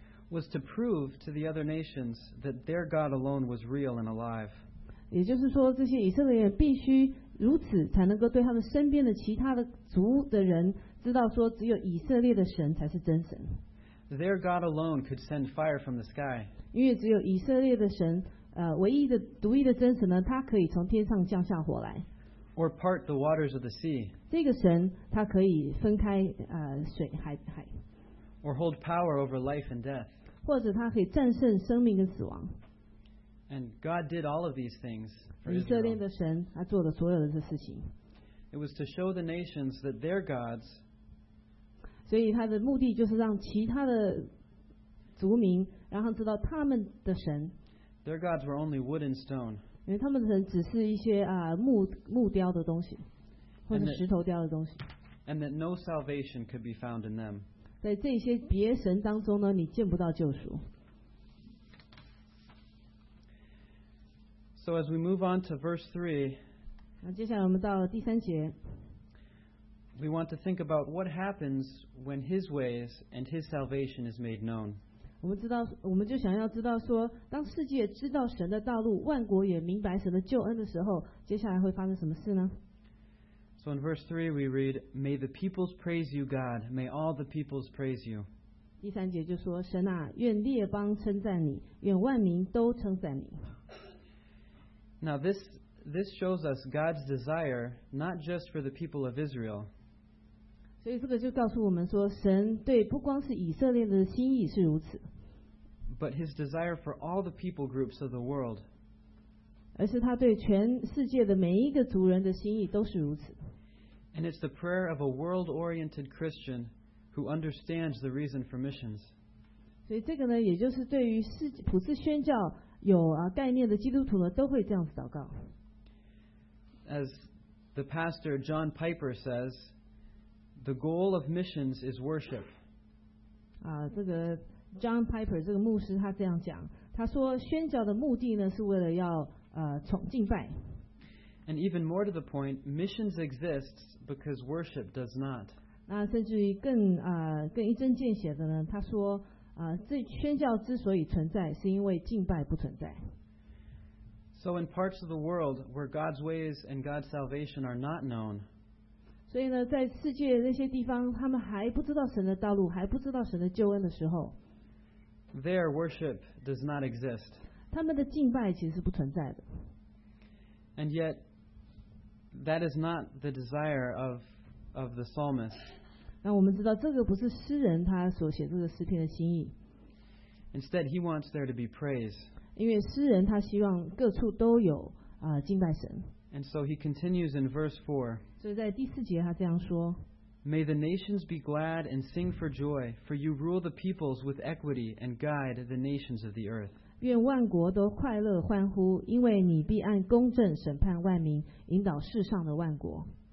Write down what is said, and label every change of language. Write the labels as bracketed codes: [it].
[en] Was to prove to the other nations that their God alone was real and alive. [zh] 也就是说，这些以色列人必须如此，才能够对他们身边的其他的族的人。知道说只有以色列的神才是真神。 [en] Their God alone could send fire from the sky. [zh] 因为只有以色列的神，唯一的独一的真神呢，他可以从天上降下火来。 [en] Or part the waters of the sea. [zh] 这个神他可以分开水海。 [en] Or hold power over life and death. [zh] 或者他可以战胜生命跟死亡。 [en] And God did all of these things. [zh] 以色列的神他做的所有的这事情。 [en] It was to show the nations that their gods. [zh] 所以他的目的就是让其他的族民，让他知道他们的神。 [en] Their gods were only wood and stone. [zh] 因为他们的神只是一些木雕的东西，或者石头雕的东西。 [en] And that no salvation could be found in them. [zh] 在这些别神当中呢，你见不到救赎。 [en] So as we move on to verse 3. [zh] 接下来我们到第三节。 [en] We want to think about what happens when His ways and His salvation is made known. [zh] 我们就想要知道说，当世界知道神的道路，万国也明白神的救恩的时候，接下来会发生什么事呢？ [en] So in verse 3 we read, May the peoples praise you, God. May all the peoples praise you. [zh] 第三节就说，神啊，愿列邦称赞你，愿万民都称赞你。 [en] Now this shows us God's desire not just for the people of Israel. [zh] 所以这个就告诉我们说，神对不光是以色列的心意是如此， [en] but His desire for all the people groups of the world. [zh] 而是他对全世界的每一个族人的心意都是如此。 [en] And it's the prayer of a world-oriented Christian who understands the reason for missions. [zh] 所以这个呢，也就是对于普世宣教有概念的基督徒呢，都会这样子祷告。 [en] As the pastor John Piper says, the goal of missions is worship. [zh] 这个 John Piper 这个牧师他这样讲，他说宣教的目的呢是为了要敬拜。 [en] And even more to the point, missions exists because worship does not. [zh] 那甚至于更一针见血的呢，他说这宣教之所以存在，是因为敬拜不存在。 [en] So in parts of the world where God's ways and God's salvation are not known. [zh] 所以呢，在世界那些地方，他们还不知道神的道路，还不知道神的救恩的时候。 [en] Their worship does not exist. [zh] 他们的敬拜其实是不存在的。 [en] And yet, that is not the desire of the psalmist. [zh] 那我们知道，这个不是诗人他所写这个诗篇的心意。 [en] Instead, he wants there to be praise. [zh] 因为诗人他希望各处都有敬拜神。 [en] And so he continues in verse 4. [zh] 所以在第四节他这样说。 [en] May the nations be glad and sing for joy, for you rule the peoples with equity and guide the nations of the earth. [zh] 愿万国都快乐欢呼，因为你必按公正审判万民，引导世上的万国。